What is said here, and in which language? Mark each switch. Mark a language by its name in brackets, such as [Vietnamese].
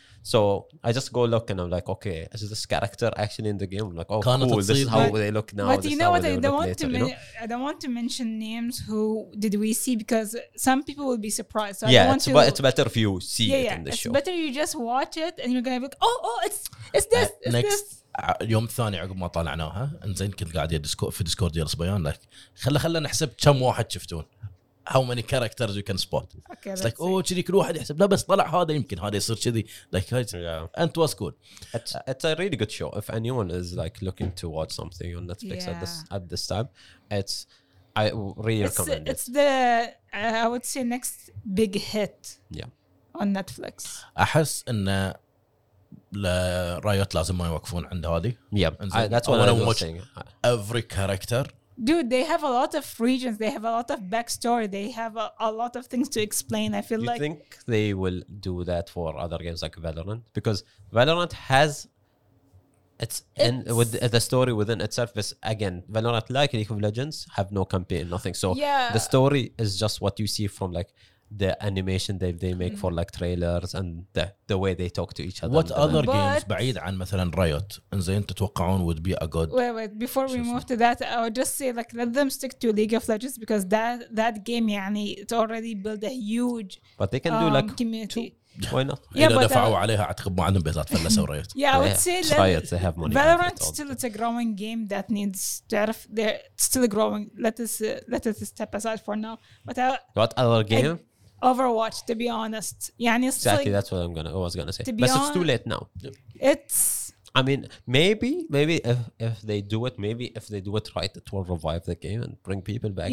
[English] So I just go look and I'm like, okay, is this character actually in the game? I'm like, oh, cool, this is how they look now. But you know what? I don't want to mention names who did we see, because some people will be surprised. It's better if you see it in the show. It's better you just watch it and you're going to be like, oh, it's this. [Arabic] يوم الثاني عقب ما طلعناها انزين كنت قاعد في ديسكورد يا صبيان لك خلنا نحسب كم واحد شفتون. [English] How many characters you can spot? Okay, it's like, oh, [Arabic] كذي كل واحد يحسب. لا بس طلع هذا يمكن هذا يصير كذي. [English] Like, and it was good. It's a really good show. If anyone is like looking to watch something on Netflix at this time, I really recommend it. It's the I would say next big hit. Yeah. On Netflix. [Arabic] أحس إن لرايوت لازم ما يوقفون عند هذه. [English] Yeah. That's what I was saying. Every character. Dude, they have a lot of regions. They have a lot of backstory. They have a lot of things to explain. You think they will do that for other games like Valorant? Because Valorant has the story within itself. But again, Valorant, like League of Legends, have no campaign, nothing. So the story is just what you see from like the animation they make for like trailers and the way they talk to each other. What other games, [Arabic] بعيد عن مثلا [English] Riot, and they [Arabic] تتوقعون [English] would be a good... Wait, before we move to that, I would just say like, let them stick to League of Legends, because that game, يعني, it already built a huge community. But they can do like community. Why not? Yeah, but [Arabic] دفعوا عليها أعتقد ما عندهم بيزات فلسوا Riot. [English] Yeah, I would say that Riot, they have money. Valorant still, it's a growing game that needs to have... It's still growing. Let us step aside for now. But what other game? Overwatch, to be honest. That's what I was gonna say. But it's too late now. It's... I mean, maybe if they do it right, it will revive the game and bring people back.